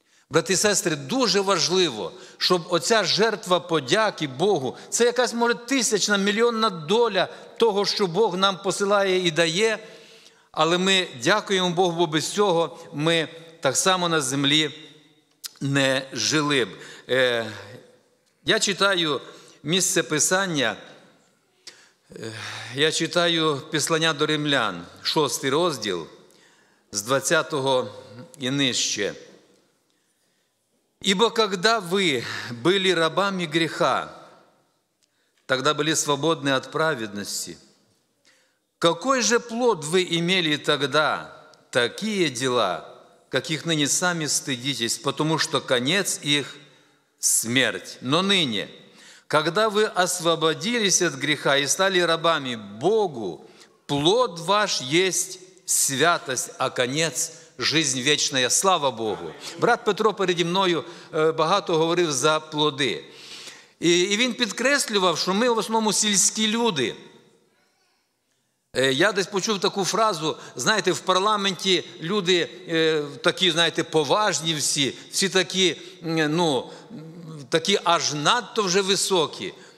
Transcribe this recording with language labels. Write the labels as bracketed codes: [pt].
[uk] Брати і сестри, дуже важливо, щоб оця жертва подяки Богу, це якась, може, тисячна, мільйонна доля того, що Бог нам посилає і дає, але ми дякуємо Богу, бо без цього ми так само на землі не жили б. Я читаю місце Писання, я читаю Післання до Римлян, 6 розділ, з 20-го і нижче. [ru] «Ибо когда вы были рабами греха, тогда были свободны от праведности. Какой же плод вы имели тогда? Такие дела, каких ныне сами стыдитесь, потому что конец их – смерть. Но ныне, когда вы освободились от греха и стали рабами Богу, плод ваш есть святость, а конец – жизнь вечная, слава Богу. [uk] Брат Петро переді мною багато говорив за плоди. І він підкреслював, що ми в основному сільські люди. Я десь почув таку фразу, знаєте, в парламенті люди такі, знаєте, поважні всі, всі такі, ну, такі аж надто вже високі.